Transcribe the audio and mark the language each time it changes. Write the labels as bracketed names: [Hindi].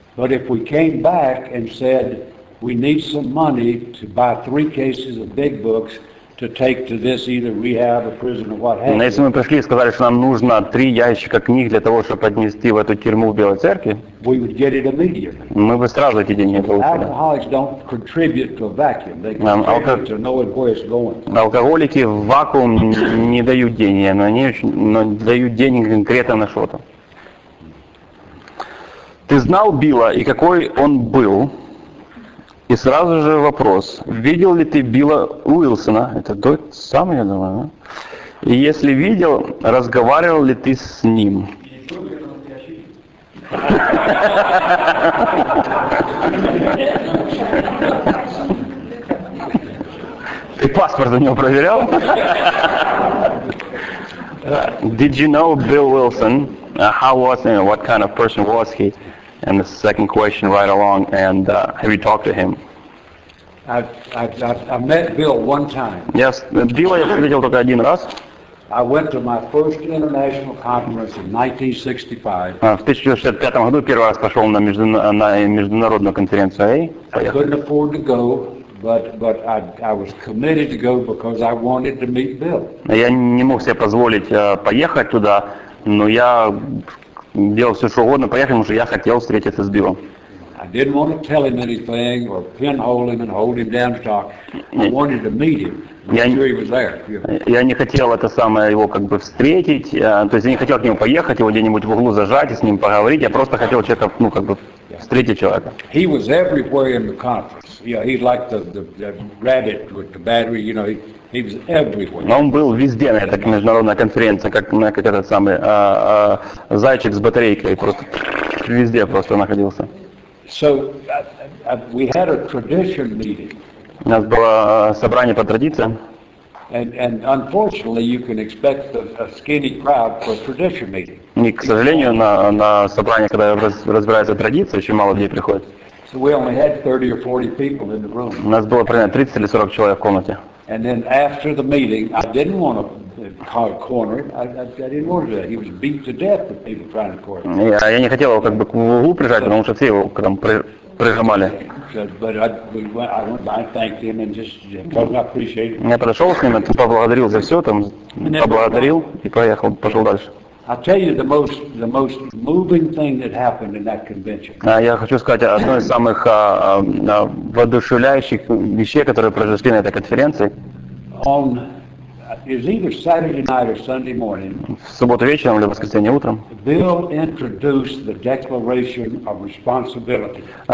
[English] But if we came back and said we need some money to buy three cases of Big Books to take to this either rehab or prison or what happened. [Russian] Если мы пришли и сказали, что нам нужно три ящика книг для того, чтобы поднести в эту тюрьму в Белой Церкви, [English] we would get it immediately. [Russian] Мы бы сразу эти деньги получили. [English] Alcoholics don't contribute to a vacuum. They contribute to knowing where it's going. [Russian] Алкоголики в вакуум не дают деньги, но они очень, но дают деньги конкретно на что-то. Ты знал Билла и какой он был? И сразу же вопрос, видел ли ты Билла Уилсона? Это тот самый, я думаю, да? И если видел, разговаривал ли ты с ним? Ты паспорт у него проверял? [English] Did you know Bill Wilson? How was he? What kind of person was he? And the second question right along, and have you talked to him? I met Bill one time. [Russian] Yes, Билла я встретил только один раз. [English] I went to my first international conference in 1965. [Russian] В 1965 году первый раз пошел на международную конференцию. [English] I couldn't afford to go, but I was committed to go because I wanted to meet Bill. [Russian] Я не мог себе позволить поехать туда, но я делал все, что угодно, поехал, потому что я хотел встретиться с Биллом. [English] I didn't want to tell him anything or pinhole him and hold him down to talk. I wanted to meet him. Sure he was there. [Russian] Я не хотел это самое его как бы встретить, то есть я не хотел к нему поехать, его где-нибудь в углу зажать и с ним поговорить. Я просто хотел человека, ну как бы встретить человека. [English] He was everywhere in the conference. Yeah, he like the rabbit with the battery, you know. He was everywhere. [Russian] Но он был везде на этой международной конференции, как этот самый зайчик с батарейкой, просто везде просто находился. [English] So we had a tradition meeting. [Russian] У нас было собрание по традициям. [English] And unfortunately, you can expect a skinny crowd for a tradition meeting. [Russian] И, к сожалению, на собрание, когда разбирается традиция, очень мало людей приходит. [English] So we only had 30 or 40 people in the room. [Russian] У нас было примерно 30 или 40 человек в комнате. [English] And then after the meeting, I didn't want to corner him. I didn't want to do that. He was beat to death with people trying to corner him. [Russian] Я не хотел его как бы к углу прижать, потому что все его там прижимали. [English] But I went by and thanked him and just told him I appreciate [Russian] it. Я подошел с ним, поблагодарил за все, там поблагодарил и поехал, пошел дальше. [English] I'll tell you the most moving thing that happened in that convention. [Russian] Я хочу сказать одно из самых воодушевляющих вещей, которые произошли на этой конференции. [English] On is either Saturday night or Sunday morning. [Russian] В субботу вечером или воскресенье утром. [English] Bill introduced the Declaration of Responsibility.